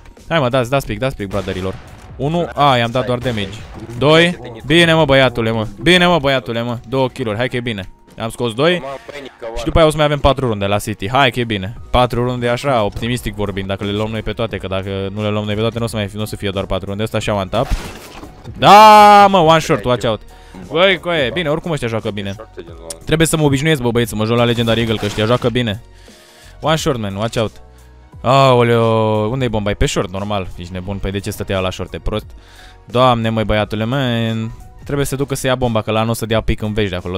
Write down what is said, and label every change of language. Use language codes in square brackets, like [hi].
[ro] Hai mă, dați pic, brotherilor. 1, i-am dat doar damage. 2, bine mă băiatule mă. Bine mă băiatule mă, 2 kill-uri, hai că e bine. Am scos 2 și după aia o să mai avem 4 runde la City. Hai că e bine, 4 runde așa, optimistic vorbind. Dacă le luăm noi pe toate, că dacă nu le luăm noi pe toate nu o să, mai fi, nu o să fie doar 4 runde. Asta așa [en] one tap. [ro] Da mă, [en] one short, watch out. [ro] Băi, coaie, bine, oricum ăștia joacă bine. Trebuie să mă obișnuiesc, bă, băieți, să mă joc la Legendary Eagle, că ăștia joacă bine. [en] One short, man, watch out. [ro] Aoleo, unde-i bomba? Pe short, normal, ești nebun, păi de ce stătea la short, e prost. Doamne, măi, băiatule, man. Trebuie să ducă să ia bomba, că la anul o să dea pic în veci de acolo.